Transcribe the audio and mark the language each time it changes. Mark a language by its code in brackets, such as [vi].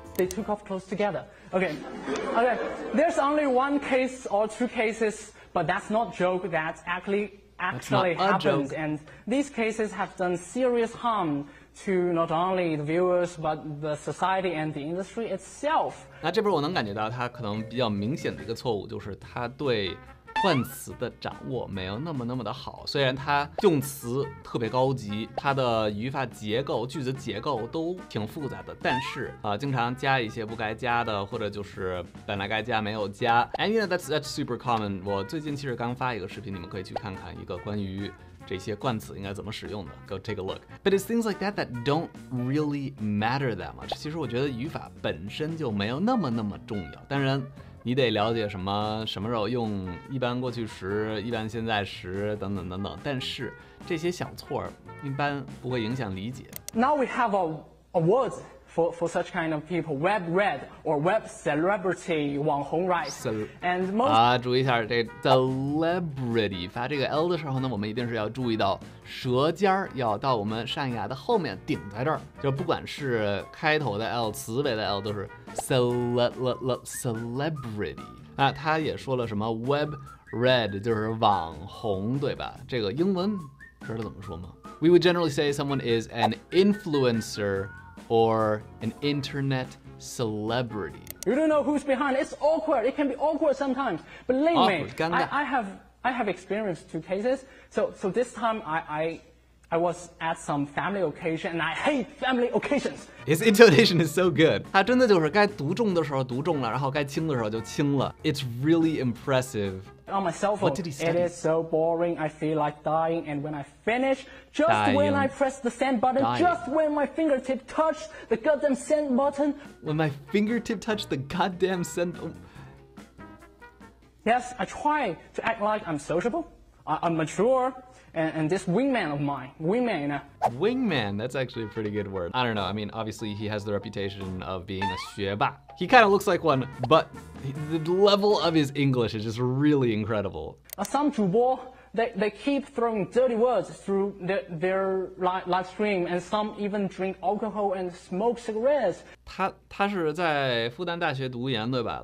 [en] They took off clothes together. Okay. There's only one case or two cases, but that's not a joke. That actually happened, and these cases have done serious harm to not only the viewers but the society and the industry itself. [zh] 那这边我能感觉到他可能比较明显的一个错误，就是他对换词的掌握没有那么的好。虽然他用词特别高级，他的语法结构、句子结构都挺复杂的，但是经常加一些不该加的，或者就是本来该加没有加。 [en] And you know that's super common. [zh] 我最近其实刚发一个视频，你们可以去看看，一个关于这些冠词应该怎么使用的。 [en] Go take a look. But it's things like that don't really matter that much. [zh] 其实我觉得语法本身就没有那么重要。当然。你得了解什么时候用一般过去时、一般现在时等等等等，但是这些小错一般不会影响理解。 [en] Now we have a word for such kind of people, web red or web celebrity, 网红 right? [zh] And most 注意一下这 celebrity 发这个 l 的时候呢，我们一定是要注意到舌尖要到我们上牙的后面顶在这儿，就不管是开头的 l、词尾的 l 都是。 Celebrity 啊，他也说了什么 web red 就是网红对吧？这个英文知道怎么说吗 [en] ？We would generally say someone is an influencer or an internet celebrity. You don't know who's behind. It's awkward. It can be awkward sometimes. Believe me, I have experienced two cases. So this time I was at some family occasion, and I hate family occasions. His intonation is so good. [zh] 他真的就是该读重的时候读重了，然后该轻的时候就轻了。 [en] It's really impressive. On my cell phone, what did he study? It is so boring. I feel like dying, and when I finish, when I press the send button, just when my fingertip touched the goddamn send button. When my fingertip touched the goddamn send button. Yes, I try to act like I'm sociable. I'm mature. And this wingman of mine, wingman, that's actually a pretty good word. I don't know, I mean, obviously he has the reputation of being a 学霸. He kind of looks like one, but the level of his English is just really incredible. Some 主播, they keep throwing dirty words through their live stream, and some even drink alcohol and smoke cigarettes. [zh] 他是在复旦大学读研对吧?